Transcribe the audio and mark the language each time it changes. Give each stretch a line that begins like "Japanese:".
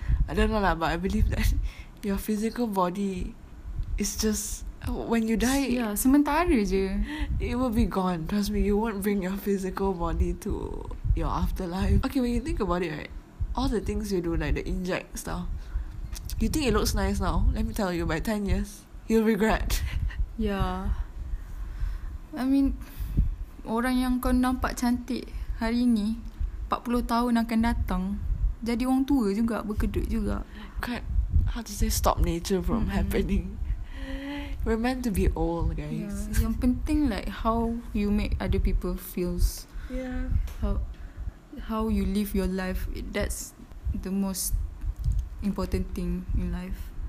English: I don't know lah, but I believe that your physical body is just, when you die.
Malay: Yeah, sementara je.
English: It will be gone. Trust me, you won't bring your physical body to your afterlife. Okay, when you think about it, right, all the things you do, like the inject stuff, you think it looks nice now? Let me tell you, by 10 years, you'll regret.
Malay: Yeah.
English: I mean,
Malay: orang yang kau nampak cantik hari ni, 40 tahun akan datang, jadi orang tua juga, berkedut juga.
English: Quite, how to say, stop nature from happening. We're meant to be old, guys. Yeah.
Malay: Yang penting,
English: like, how you make other people feels. Yeah. How you live your life, that's the most important thing in life.